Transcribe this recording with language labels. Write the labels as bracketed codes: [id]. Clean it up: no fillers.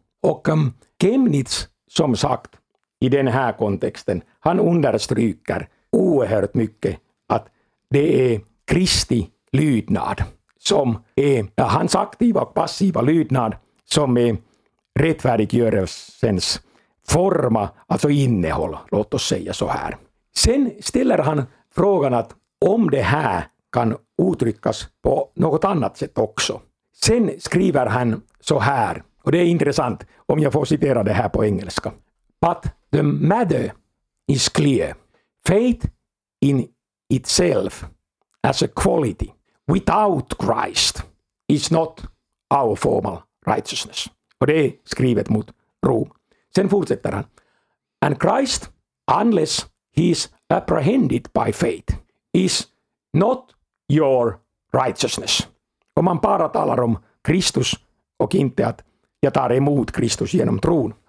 [sv] Och Chemnitz, som sagt, i den här kontexten, han understryker oerhört mycket att det är Kristi lydnad som är hans aktiva och passiva lydnad som är rättfärdiggörelsens forma, alltså innehåll, låt oss säga så här. Sen ställer han frågan att om det här kan uttryckas på något annat sätt också. Sen skriver han så här, och det är intressant om jag får citera det här på engelska. [en] But the matter is clear. Faith in itself as a quality without Christ is not our formal righteousness. [sv] Och det är skrivet mot Rom. Sen fortsätter han. [en] And Christ, unless he is apprehended by faith, is not your righteousness. [sv] Om man bara talar om Kristus och inte att jag tar emot Kristus genom tron.